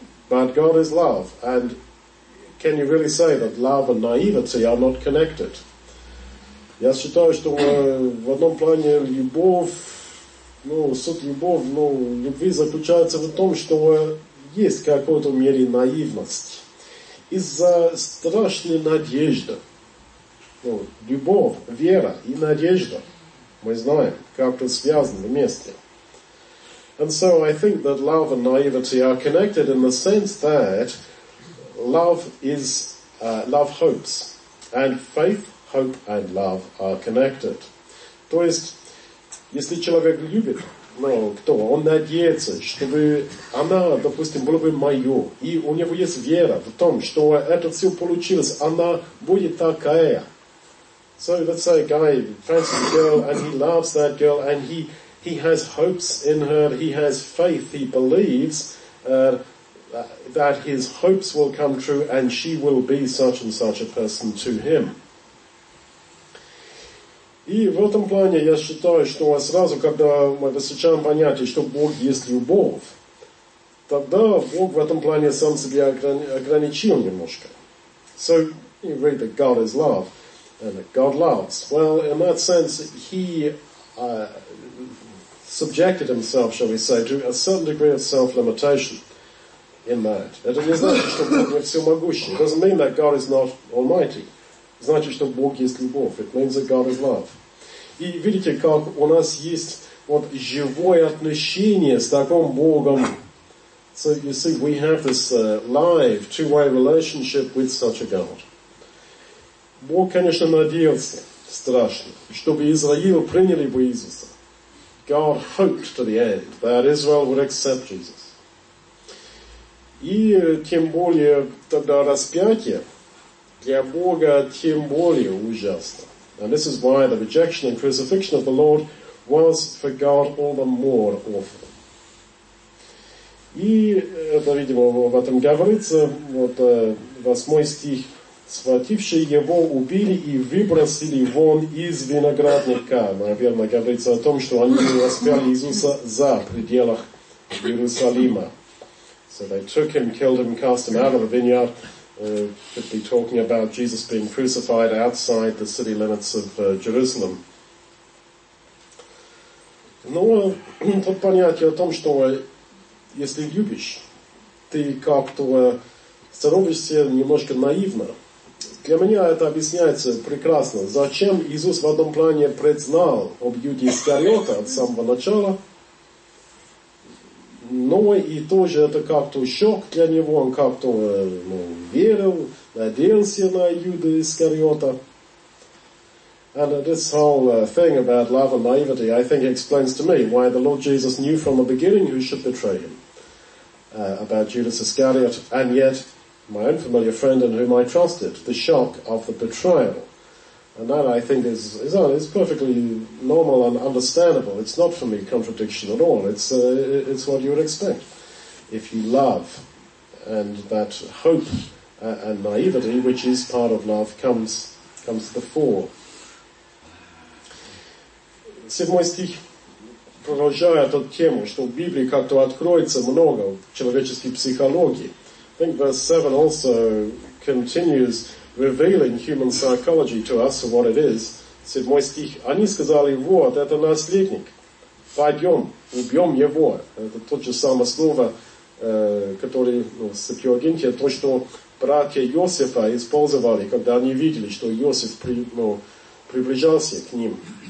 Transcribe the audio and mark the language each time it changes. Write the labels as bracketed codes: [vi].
[en] But God is love, and can you really say that love and naivety are not connected? [ru] Я считаю, что в одном плане любовь, суть любовь, любви заключается в том, что есть в какой-то мере наивность. Из-за страшной надежды. Любовь, вера и надежда. Мы знаем, как это связано вместе. [en] And so I think that love and naivety are connected in the sense that love is love hopes, and faith, hope, and love are connected. [ru] То есть, если человек любит, кто? Он надеется, чтобы она, допустим, была бы моя, и у него есть вера в том, что это все получилось, она будет такая. [en] So let's say a guy fancies a girl, and he loves that girl, and he has hopes in her, he has faith, he believes that his hopes will come true and she will be such and such a person to him. [ru] И в этом плане я считаю, что сразу, когда мы встречаем понятие, что Бог есть любовь, тогда Бог в этом плане сам себя ограничил немножко. [en] So, you read that God is love and that God loves. Well, in that sense, he subjected himself, shall we say, to a certain degree of self-limitation. In that. [ru] Это не значит, что Бог не всемогущий. [en] It doesn't mean that God is not almighty. [ru] It значит, что Бог есть любовь. [en] It means that God is love. [ru] И видите, как у нас есть живое отношение с таким Богом. [en] So you see, we have this live, two-way relationship with such a God. [ru] Бог, конечно, надеялся страшно, чтобы Израиль приняли бы Иисуса. [en] God hoped to the end that Israel would accept Jesus. [ru] И тем более тогда распятие для Бога тем более ужасно. [en] And this is why the rejection and crucifixion of the Lord was for God all the more awful. [ru] И это, видимо, об этом говорится, 8 стих. «Схватившие его убили и выбросили вон из виноградника». Наверное, говорится о том, что они распяли Иисуса за пределах Иерусалима. [en] So they took him, killed him, cast him out of the vineyard. Could be talking about Jesus being crucified outside the city limits of Jerusalem. [ru] Но тут понятие о том, что если любишь, ты как-то становишься немножко наивно. Для меня это объясняется прекрасно. Зачем Иисус в одном плане предзнал об Юде Искариоте от самого начала? Но и тоже это как-то шок для него, он как-то верил, надеялся на Иуду Искариота. [en] And this whole thing about love and naivety, I think it explains to me why the Lord Jesus knew from the beginning who should betray him, about Judas Iscariot, and yet my own familiar friend in whom I trusted, the shock of the betrayal. And that, I think, is perfectly normal and understandable. It's not for me contradiction at all. It's what you would expect. If you love, and that hope and naivety, which is part of love, comes to the fore. [ru] 7 стих продолжает эту тему, что в Библии как-то откроется много человеческой психологии. [en] I think verse 7 also continues revealing human psychology to us for what it is. [ru] Said мой стих, они сказали, вот, это наследник. Пойдем, убьем его. Это то же самое слово, которое в Септуагинте, то, что братья Иосифа использовали, когда они видели, что Иосиф приближался к ним.